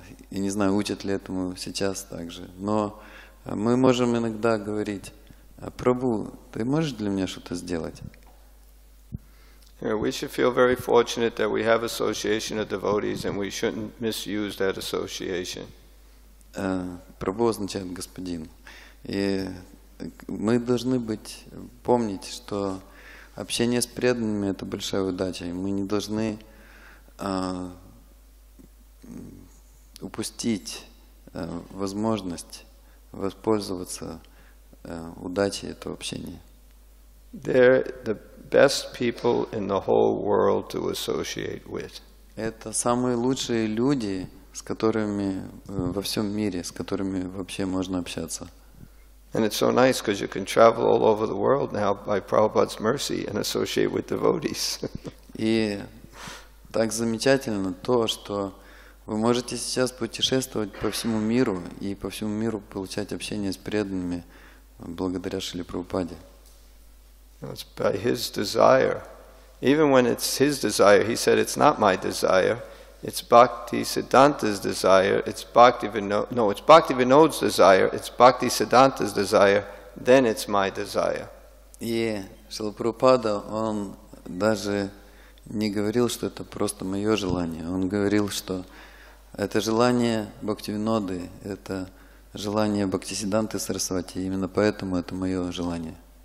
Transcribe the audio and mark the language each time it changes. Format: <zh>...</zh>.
<ru>Я не знаю, учат ли этому сейчас так же, но мы можем иногда говорить, Прабу, ты можешь для меня что-то сделать?</ru> <en>Yeah, we should feel very fortunate that we have association of devotees and we shouldn't misuse that association.</en> <ru>Прабу означает господин. И мы должны помнить, что общение с преданными – это большая удача, и мы не должны упустить возможность воспользоваться удачей этого общения.</ru> <en>They're the best people in the whole world to associate with.</en> <ru>Это самые лучшие люди, с которыми во всем мире, с которыми вообще можно общаться.</ru> <en>And it's so nice because you can travel all over the world now by Prabhupada's mercy and associate with devotees.</en> <ru>И так замечательно то, что вы можете сейчас путешествовать по всему миру и по всему миру получать общение с преданными благодаря Шриле Прабхупаде.</ru> <en>It's by his desire. Even when it's his desire, he said it's not my desire. It's Bhakti Siddhanta's desire. It's Bhakti Vinod's desire. It's Bhakti Siddhanta's desire. Then it's my desire.</en> <ru>Yeah, Шрила Прабхупада, он даже не говорил, что это просто мое желание. Он говорил, что это желание Бхактивиноды, это желание Бхактисиданты Сарасвати. Именно поэтому это мое желание.</ru>